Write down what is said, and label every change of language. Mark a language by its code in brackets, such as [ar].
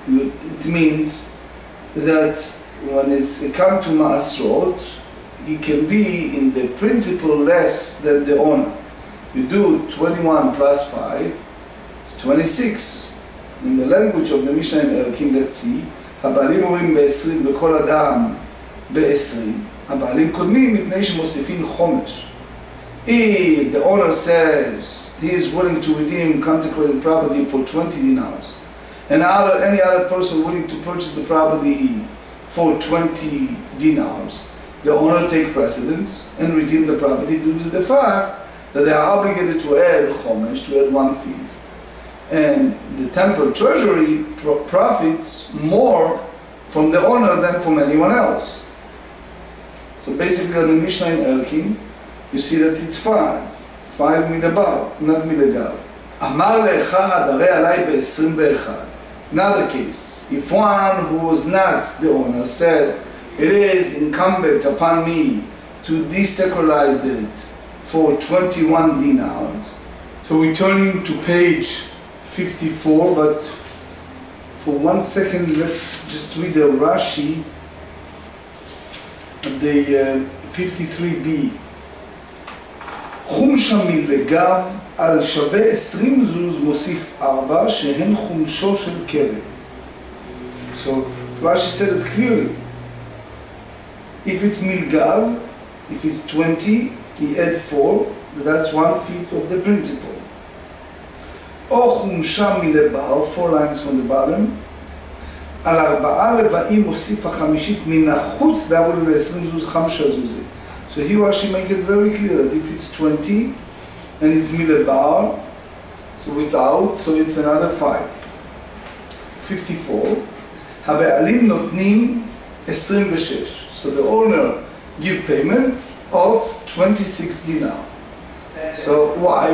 [en] It means that when it's come to Maasrot, he can be in the principal less than the owner. You do 21 plus 5, it's 26. In the language of the Mishnah in Erekin, let's see. [he] הבעלים אומרים ב-20 וכל אדם ב-20. הבעלים קודמים מפני שמוסיפים חומש. [en] If the owner says he is willing to redeem consecrated property for 20 dinars, and any other person willing to purchase the property for 20 dinars, the owner take precedence and redeem the property due to the fact that they are obligated to add chomesh, to add 1/5. And the temple treasury profits more from the owner than from anyone else. So basically on the Mishnah in Elkin, you see that it's 5. 5 milabar, not milagav. [he] Amar le'echad, arei alai b'21. [en] Another case, if one who was not the owner said, it is incumbent upon me to desecralize it for 21 dinars. So we turn to page 54, but for 1 second, let's just read the Rashi, the 53b. [he] חומשה מלגב על שווה 20 זוז מוסיף 4, שהן חומשו של קרן. [en] So Rashi said it clearly. If it's milgav, if it's 20, he add 4, that's 1/5 of the principal. [he] או חומשה מלבר, [en] 4 lines from the bottom, [he] על 4 רבעים מוסיף החמישית מן החוץ דבר ל-20 זוז, 5 זוזים. [en] So here Rashi make it very clear that if it's 20 and it's milebar, so without, so it's another 5. [he] 54. הבעלים נותנים 26. [en] So the owner give payment of 26 dinar. So why?